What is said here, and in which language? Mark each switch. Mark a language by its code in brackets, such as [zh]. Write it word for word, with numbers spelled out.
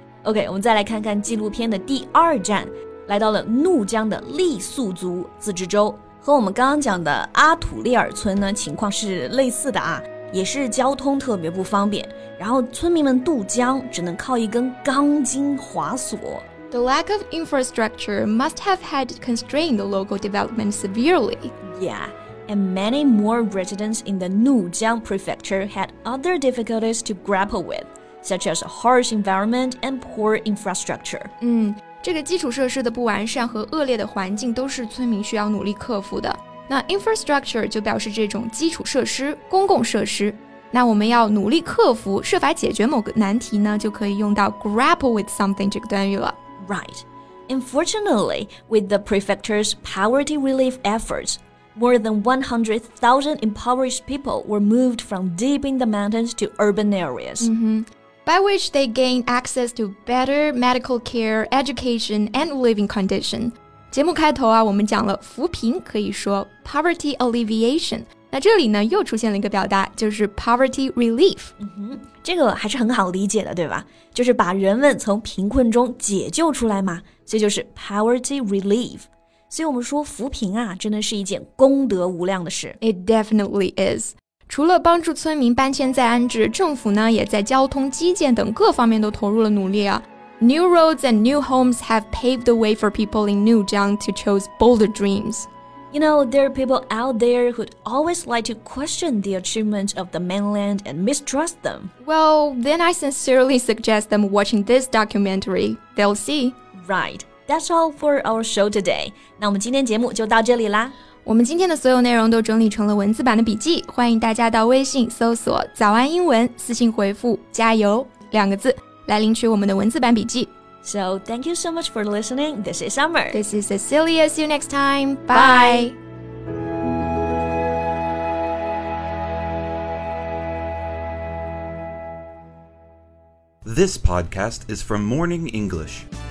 [zh] Okay, 我们再来看看纪录片的第二站，来到了怒江的傈僳族自治州，和我们刚刚讲的阿土烈尔村呢情况是类似的啊，也是交通特别不方便，然后村民们渡江只能靠一根钢筋滑索。 [en] The lack of infrastructure must have had constrained the local development severely. Yeah, and many more residents in the Nujiang prefecture had other difficulties to grapple with, such as a harsh environment and poor infrastructure. [zh] 嗯，这个基础设施的不完善和恶劣的环境都是村民需要努力克服的。那 infrastructure 就表示这种基础设施、公共设施。那我们要努力克服，设法解决某个难题呢，就可以用到 [en] grapple with something [zh] 这个短语了。 [en] Right. Unfortunately, with the prefecture's poverty relief efforts, more than one hundred thousand impoverished people were moved from deep in the mountains to urban areas. Mm-hmm. By which they gained access to better medical care, education, and living condition. [zh] 节目开头啊，我们讲了扶贫可以说 [en] poverty alleviation。 [zh] 那这里呢又出现了一个表达，就是 [en] poverty relief、 [zh] 嗯、这个还是很好理解的，对吧？就是把人们从贫困中解救出来嘛，所以就是 [en] poverty relief。 [zh] 所以我们说扶贫啊，真的是一件功德无量的事。 [en] It definitely is。 [zh] 除了帮助村民搬迁再安置，政府呢也在交通基建等各方面都投入了努力啊。 [en] New roads and new homes have paved the way for people in Nujiang to chase bolder dreams. You know, there are people out there who always like to question the achievements of the mainland and mistrust them. Well, then I sincerely suggest them watching this documentary. They'll see. Right. That's all for our show today. [zh] 那我们今天节目就到这里啦。我们今天的所有内容都整理成了文字版的笔记，欢迎大家到微信搜索“早安英文”，私信回复“加油”两个字来领取我们的文字版笔记。 [en] So, thank you so much for listening. This is Summer. This is Cecilia. See you next time. Bye. Bye. This podcast is from Morning English.